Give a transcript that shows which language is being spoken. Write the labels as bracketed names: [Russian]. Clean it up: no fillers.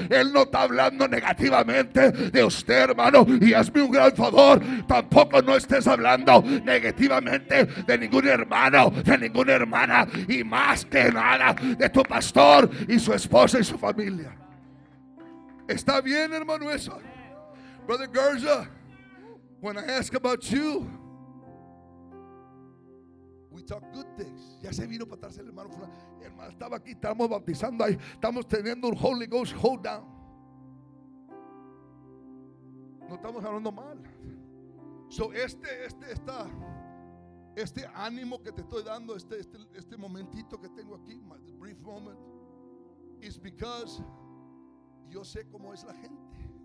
[Spanish] Él no está hablando negativamente de usted, hermano. Y hazme un gran favor. Tampoco no estés hablando negativamente de ningún hermano, de ninguna hermana. Y más que nada, de tu pastor y su esposa y su familia. ¿Está bien, hermano, eso? [English] Brother Garza, when I ask about you, we talk good things. [Spanish] Ya se vino para atrás el hermano fulano. El hermano estaba aquí, estamos bautizando ahí. Estamos teniendo un [English] Holy Ghost hold down. [Spanish] No estamos hablando mal. So este ánimo que te estoy dando, este momentito que tengo aquí, [English] my brief moment, is because [Spanish] yo sé cómo es la gente.